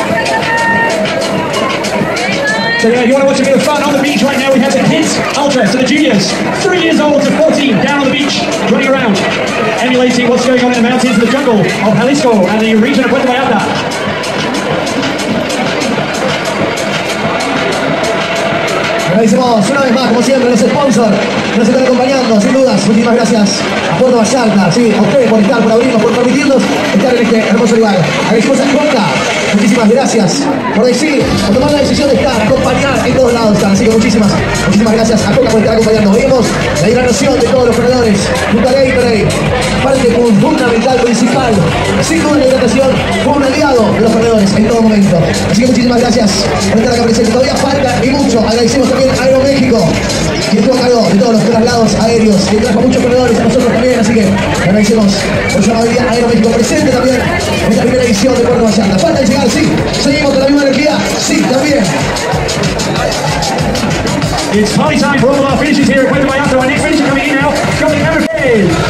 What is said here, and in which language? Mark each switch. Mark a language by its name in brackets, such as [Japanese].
[English] If you want to watch a bit of fun on the beach right now, we have the kids ultra, so the juniors, 3 years old to 14, down on the beach, running around, emulating what's going on in the mountains of the jungle of Jalisco and the region of Puerto Vallarta. [Spanish] Agradecemos una vez más, como siempre, los sponsors nos están acompañando, sin dudas, muchísimas gracias a Puerto Vallarta, sí, a ustedes por estar, por abrirnos, por permitirnos estar en este hermoso lugar. Agradecemos a Coca, muchísimas gracias por decir, por tomar la decisión de estar, acompañar en todos lados, así que muchísimas gracias a Coca por estar acompañando. Vemos la hidratación de todos los corredores, junto a Gatorade, parte fundamental, principal, sin duda la hidratación fue un aliado de los corredores en todo momento. Así que muchísimas gracias por estar acá presente, todavía falta y mucho, agradecemos también Aeroméxico, que estuvo a cargo de todos los traslados aéreos, que trajo muchos corredores a nosotros también, así que agradecemos por su amabilidad Aeroméxico presente también en la primera edición de Puerto Vallarta. Falta de llegar, sí, seguimos con la misma energía, sí, también. [English] It's party time for all of our finishes here at Puerto Vallarta. Our next finisher coming in now, coming every day.